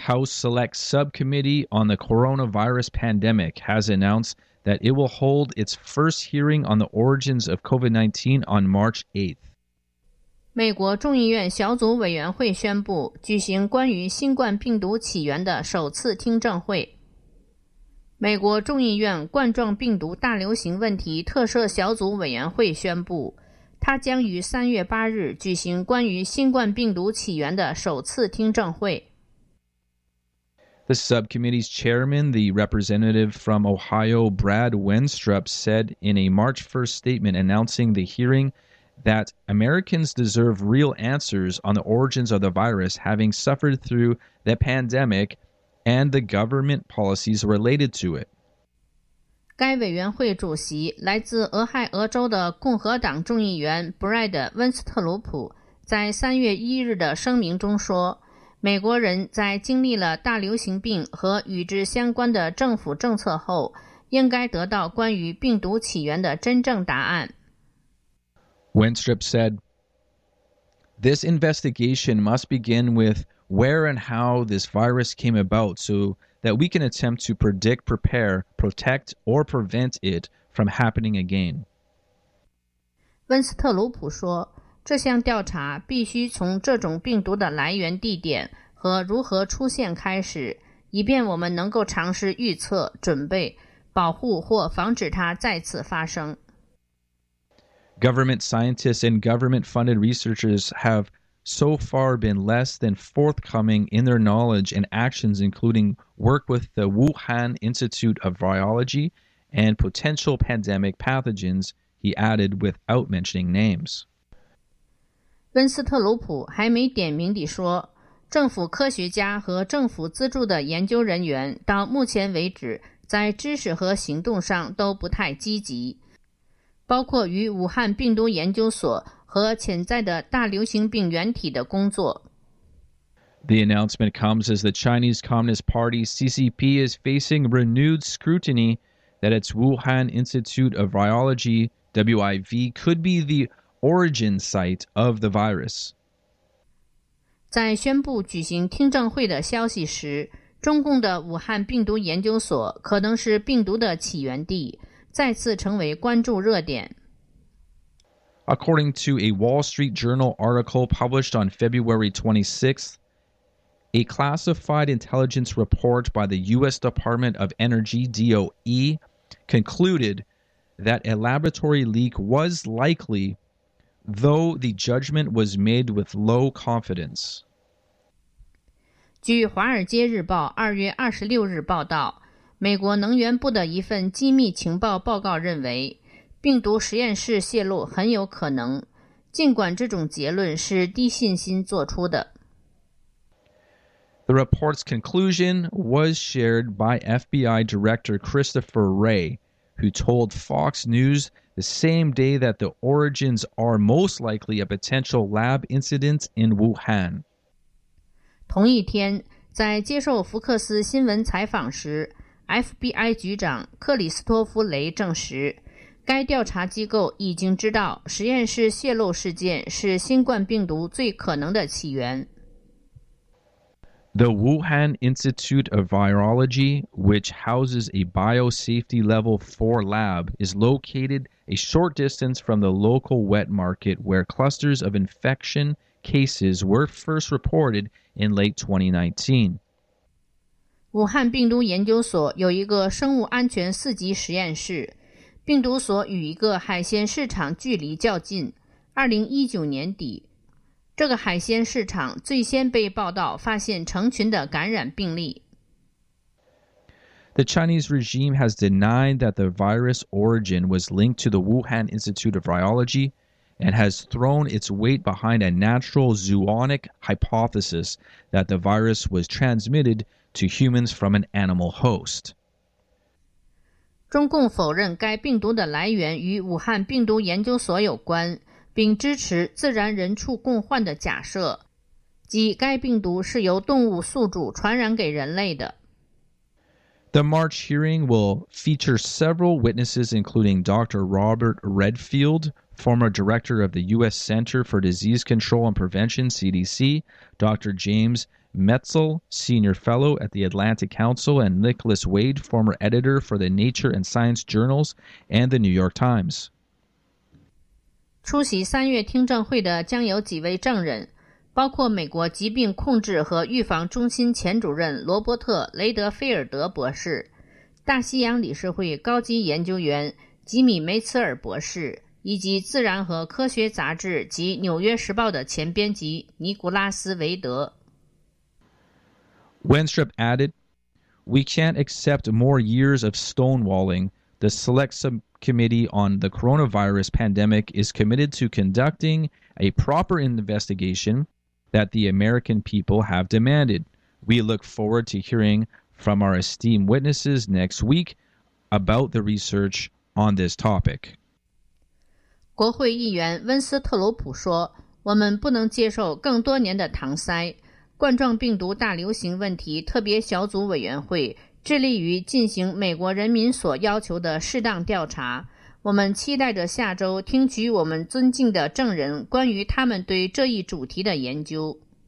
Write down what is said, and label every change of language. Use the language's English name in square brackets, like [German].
[English] House Select Subcommittee on the Coronavirus Pandemic has announced that it will hold its first hearing on the origins of COVID-19 on March 8th. [Chinese] 美国众议院小组委员会宣布举行关于新冠病毒起源的首次听证会。美国众议院冠状病毒大流行问题特设小组委员会宣布，它将于3月8日举行关于新冠病毒起源的首次听证会。 [English] The subcommittee's chairman, the representative from Ohio, Brad Wenstrup, said in a March 1st statement announcing the hearing that Americans deserve real answers on the origins of the virus, having suffered through the pandemic and the government policies related to it. [Chinese] 该委员会主席来自俄亥俄州的共和党众议员 Brad Wenstrup 在3月1日的声明中说，美国人在经历了大流行病和与之相关的政府政策后，应该得到关于病毒起源的真正答案。 [English] Wenstrup said, "This investigation must begin with where and how this virus came about so that we can attempt to predict, prepare, protect, or prevent it from happening again." [Chinese] 温斯特鲁普说，这项调查必须从这种病毒的来源地点和如何出现开始，以便我们能够尝试预测、准备、保护或防止它再次发生。 [English] Government scientists and government-funded researchers have so far been less than forthcoming in their knowledge and actions, including work with the Wuhan Institute of Virology and potential pandemic pathogens, he added without mentioning names. [Chinese] 温斯特鲁普还没点名地说，政府科学家和政府资助的研究人员到目前为止在知识和行动上都不太积极，包括与武汉病毒研究所和潜在的大流行病原体的工作。 [English] The announcement comes as the Chinese Communist Party CCP is facing renewed scrutiny that its Wuhan Institute of Virology WIV could be theOrigin site of the virus. [Chinese] 在宣布举行听证会的消息时，中共的武汉病毒研究所可能是病毒的起源地，再次成为关注热点。 [English] According to a Wall Street Journal article published on February 26th, a classified intelligence report by the U.S. Department of Energy, DOE, concluded that a laboratory leak was likely. Though the judgment was made with low confidence. [Chinese] 据《华尔街日报》2月26日报道，美国能源部的一份机密情报报告认为，病毒实验室泄露很有可能，尽管这种结论是低信心做出的。 [English] The report's conclusion was shared by FBI Director Christopher Wray, who told Fox News. The same day that the origins are most likely a potential lab incident in Wuhan. [Chinese] 同一天，在接受福克斯新闻采访时 ，FBI 局长克里斯托弗·雷证实，该调查机构已经知道实验室泄露事件是新冠病毒最可能的起源。 [English] The Wuhan Institute of Virology, which houses a biosafety level 4 lab, is located a short distance from the local wet market where clusters of infection cases were first reported in late 2019. [Chinese] 武汉病毒研究所有一个生物安全四级实验室，病毒所与一个海鲜市场距离较近。 2019年底，这个海鲜市场最先被报道发现成群的感染病例。 [English] The Chinese regime has denied that the virus origin was linked to the Wuhan Institute of Virology and has thrown its weight behind a natural zoonotic hypothesis that the virus was transmitted to humans from an animal host. [Chinese] 中共否认该病毒的来源与武汉病毒研究所有关。并支持自然人畜共患的假设，即该病毒是由动物宿主传染给人类的。 [English] The March hearing will feature several witnesses, including Dr. Robert Redfield, former director of the U.S. Center for Disease Control and Prevention, CDC, Dr. James Metzl, senior fellow at the Atlantic Council, and Nicholas Wade, former editor for the Nature and Science Journals and the New York Times. [Chinese] 出席三月听证会的将有几位证人，包括美国疾病控制和预防中心前主任罗伯特·雷德菲尔德博士，大西洋理事会高级研究员吉米·梅茨尔博士，以及《自然和科学》杂志及《纽约时报》的前编辑尼古拉斯·维德。 [English] Winstrup added, "We can't accept more years of stonewalling. The Select Subcommittee on the Coronavirus Pandemic is committed to conducting a proper investigation that the American people have demanded. We look forward to hearing from our esteemed witnesses next week about the research on this topic." [Chinese] 国会议员温斯特鲁普说，我们不能接受更多年的搪塞。冠状病毒大流行问题特别小组委员会致力于进行美国人民所要求的适当调查。我们期待着下周听取我们尊敬的证人关于他们对这一主题的研究。